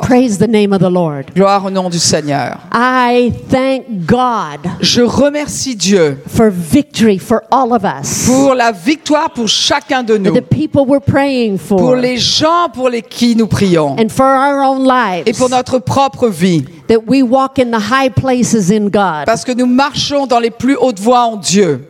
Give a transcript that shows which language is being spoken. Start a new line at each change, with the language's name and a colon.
English: Praise the name of the Lord.
French: Gloire au nom du Seigneur.
English: I thank God.
French: Je remercie Dieu.
English: For victory for all of us.
French: Pour la victoire pour chacun de nous.
English: The people we're praying for.
French: Pour les gens pour les qui nous prions.
English: And for our own lives.
French: Et pour notre propre vie.
English: That we walk in the high places in God.
French: Parce que nous marchons dans les plus hautes voies en Dieu.